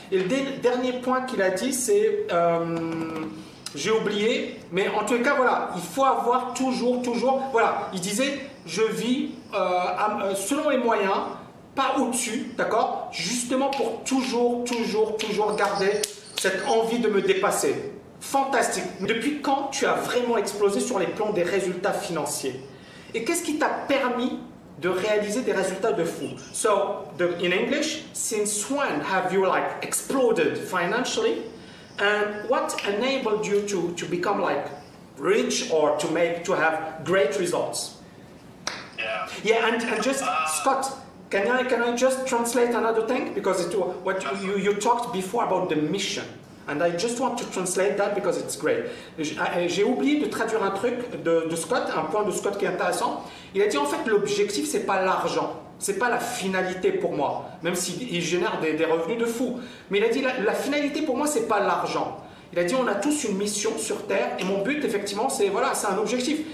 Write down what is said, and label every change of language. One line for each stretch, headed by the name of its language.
French: Et le dernier point qu'il a dit, c'est, j'ai oublié, mais en tout cas, voilà, il faut avoir toujours, voilà, il disait, je vis selon les moyens, pas au-dessus, d'accord? Justement pour toujours garder cette envie de me dépasser. Fantastique. Depuis quand tu as vraiment explosé sur les plans des résultats financiers? Et qu'est-ce qui t'a permis de réaliser des résultats de fou?
English: So, in English, since when have you like exploded financially? And what enabled you to become like rich or to have great results? Yeah, and just Scott, can I just translate another thing? Because it, what you talked before about the mission, and I just want to translate that because it's great.
French: J'ai oublié de traduire un truc de Scott, un point de Scott qui est intéressant. Il a dit en fait l'objectif c'est pas l'argent. C'est pas la finalité pour moi, même s'il génère des revenus de fou. Mais il a dit la finalité pour moi, c'est pas l'argent. Il a dit on a tous une mission sur Terre et mon but, effectivement, c'est, voilà, c'est un objectif.